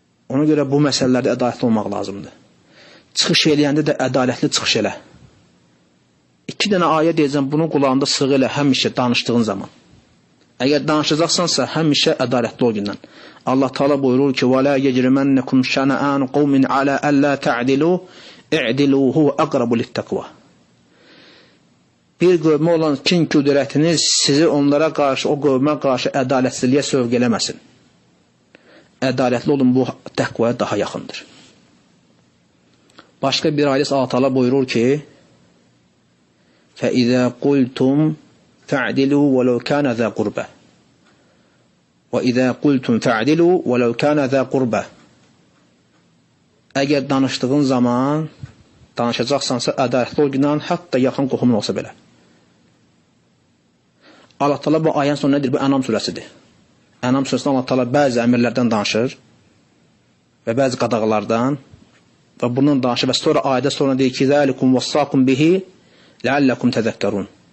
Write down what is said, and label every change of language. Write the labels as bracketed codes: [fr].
[az] Ona görə bu məsələlərdə ədalətli olmaq lazımdır. Çıxış eləyəndə də ədalətli çıxış elə. İki dənə ayə deyəcəm, bunu qulağında sığ elə həmişə danışdığın zaman. Əgər danışacaqsansa, həmişə ədalətli ol gündən. Allah Taala buyurur ki, [ar] وَلَا يَجْرِمَنَّكُمْ شَنَآنُ قَوْمٍ عَلَىٰ أَلَّا تَعْدِلُوا اِعْدِلُوا هُوَ أَقْرَبُ لِلتَّقْوَى. [az] Bir qövmə olan kin qüdrətiniz sizi onlara qarşı, o qövmə qarşı ədalətsizliyə sövq eləməsin. Ədalətli olun, bu təqvaya daha yaxındır. Başqa bir ayəsi Allah Taala buyurur ki, [ar] فَإِذَا قُلْتُمْ فَعْدِلُوا وَلَوْ كَانَ ذَا قُرْبَ وَإِذَا قُلْتُمْ فَعْدِلُوا وَلَوْ كَانَ ذَا قُرْبَ. [az] Əgər danışdığın zaman danışacaqsansa, ədalətli ol günahın hətta yaxın qohumun olsa belə. Allah Taala bu ayənin sonu nədir? Bu Ənam surəsidir. Ənam surəsində Allah Taala bəzi əmirlərdən danışır və bəzi qadağalardan və bundan danışır və sonra ayədə sonra deyir ki, [ar] zəlikum vəssakum bihi ləalləkum təzəkkərun.